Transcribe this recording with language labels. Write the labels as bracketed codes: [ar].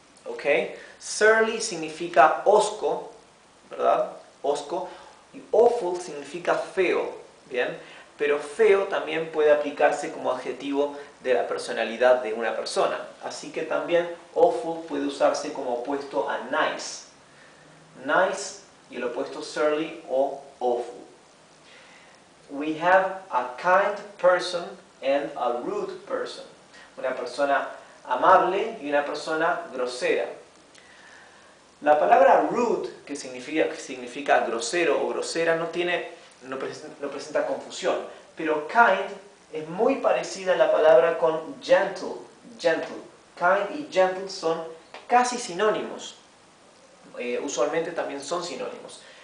[es] ¿ok? Surly significa hosco, ¿verdad? Hosco. Y awful significa feo, ¿bien? Pero feo también puede aplicarse como adjetivo de la personalidad de una persona. Así que también awful puede usarse como opuesto a nice. Nice y el opuesto surly o awful. [en] We have a kind person and a rude person. [es] Una persona amable y una persona grosera. La palabra rude, que significa grosero o grosera, no presenta confusión. Pero kind es muy parecida a la palabra con gentle. Gentle. Kind y gentle son casi sinónimos. Usualmente también son sinónimos.